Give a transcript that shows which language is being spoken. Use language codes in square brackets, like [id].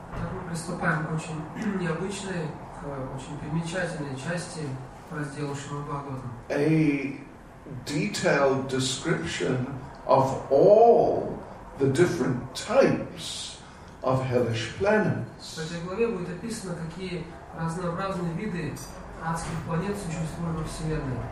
[ru] Так мы приступаем к очень необычной, к очень примечательной части раздела Шримад Бхагаватам. [en] A detailed description of all the different types of hellish planets. [ru] В этой главе будет описано, какие разнообразные виды адских планет существуют во Вселенной.